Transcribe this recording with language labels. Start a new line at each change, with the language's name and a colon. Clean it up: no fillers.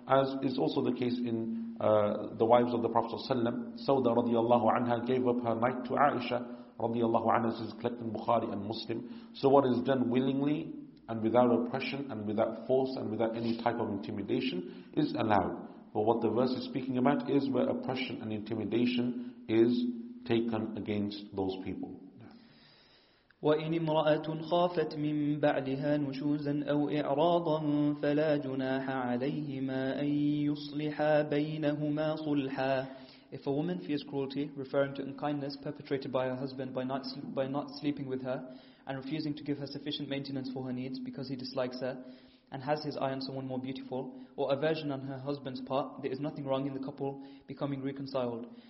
English: As is also the case in the wives of the Prophet ﷺ, Sauda radiallahu anha gave up her night to Aisha radiallahu anha, says collecting Bukhari and Muslim. So what is done willingly and without oppression and without force and without any type of intimidation is allowed. But what the verse is speaking about is where oppression and intimidation is taken against those people.
Arabic: وإن امرأة خافت من بعلها نشوزا أو إعراضا فلا جناح عليهما أن يصلحا بينهما صلحا.
English: If a woman fears cruelty, referring to unkindness perpetrated by her husband by not sleeping with her and refusing to give her sufficient maintenance for her needs because he dislikes her and has his eye on someone more beautiful, or aversion on her husband's part, there is nothing wrong in the couple becoming reconciled.